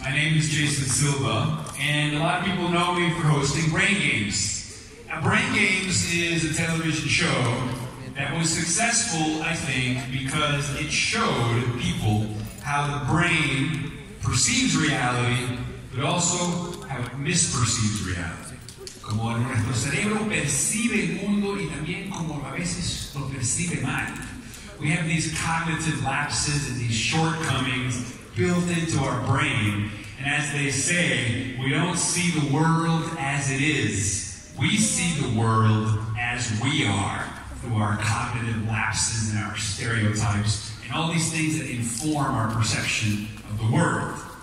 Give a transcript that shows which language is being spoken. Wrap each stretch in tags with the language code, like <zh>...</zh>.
<en>My name is Jason Silva, and a lot of people know me for hosting Brain Games. Now, Brain Games is a television show that was successful, I think, because it showed people how the brain perceives reality, but also how it misperceives reality.</en> <es>Como nuestro cerebro percibe el mundo y también como a veces lo percibe mal.</es> <en>We have these cognitive lapses and these shortcomings built into our brain. And as they say, we don't see the world as it is. We see the world as we are through our cognitive lapses and our stereotypes and all these things that inform our perception of the world.</en>